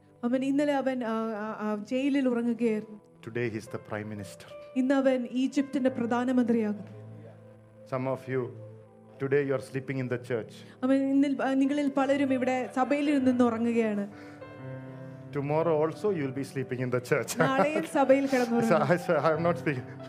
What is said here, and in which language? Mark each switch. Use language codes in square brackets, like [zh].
[ml] അവൻ ഇന്നലെ അവൻ ജയിലിൽ ഉറങ്ങുകയായിരുന്നു. [en] Today he is the prime minister. [ml] ഇന്ന് അവൻ ഈജിപ്തിന്റെ പ്രധാനമന്ത്രിയാകുന്നു. [en] Some of you, today you are sleeping in the church. Amen. [ml] നിങ്ങളിൽ പലരും ഇവിടെ സഭയിൽ നിന്ന് ഉറങ്ങുകയാണ്. [en] Tomorrow also you will be sleeping in the church. [ml] നാളെയും സഭയിൽ കിടന്നുറങ്ങും. [en] I am not speaking.